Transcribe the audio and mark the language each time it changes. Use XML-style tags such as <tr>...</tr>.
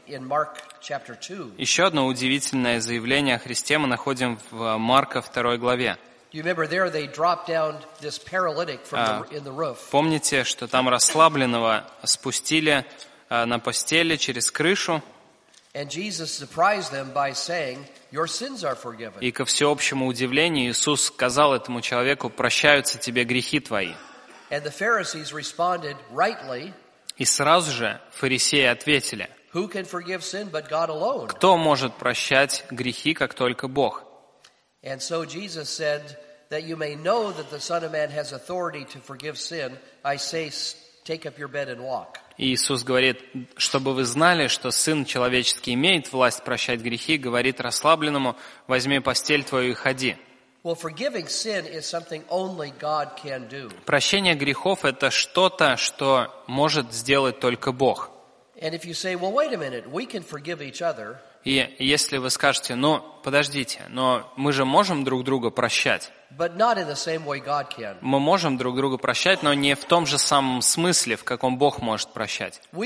<ru>Еще одно удивительное заявление о Христе мы находим в Марка 2 главе.</ru> <en>You remember there they dropped down this paralytic from in the roof.</en> <ru>Помните, что там расслабленного спустили на постели через крышу.</ru> <en>And Jesus surprised them by saying, "Your sins are forgiven."</en> <ru>И ко всеобщему удивлению Иисус сказал этому человеку: "Прощаются тебе грехи твои."</ru> <en>And the Pharisees responded rightly.</en> <ru>И сразу же фарисеи ответили:</ru> <en>"Who can forgive sin but God alone?"</en> <ru>Кто может прощать грехи, как только Бог?</ru> <en>And so Jesus said that you may know that the Son of Man has authority to forgive sin. I say, take up your bed and walk.</en> <ru>Иисус говорит, чтобы вы знали, что Сын человеческий имеет власть прощать грехи, говорит расслабленному: возьми постель твою и ходи.</ru> <en>Well, forgiving sin is something only God can do.</en> <ru>Прощение грехов это что-то, что может сделать только Бог.</ru> <en>And if you say, well, wait a minute, we can forgive each other.</en> <ru>И если вы скажете, ну, подождите, но мы же можем друг друга прощать. Мы можем друг друга прощать, но не в том же самом смысле, в каком Бог может прощать.</ru>